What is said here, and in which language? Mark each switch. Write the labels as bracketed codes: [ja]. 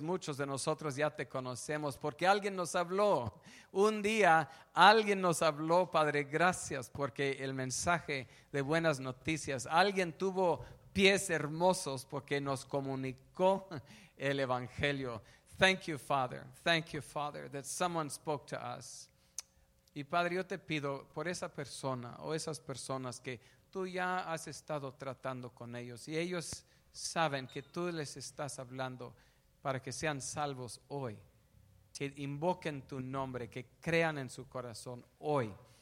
[es] Muchos de nosotros ya te conocemos porque alguien nos habló. Un día alguien nos habló, Padre, gracias, porque el mensaje de buenas noticias. Alguien tuvo pies hermosos porque nos comunicó el evangelio. [en] Thank you, Father. Thank you, Father, that someone spoke to us. [es] Y Padre, yo te pido por esa persona o esas personas que tú ya has estado tratando con ellos y ellos saben que tú les estás hablando para que sean salvos hoy, que invoquen tu nombre, que crean en su corazón hoy.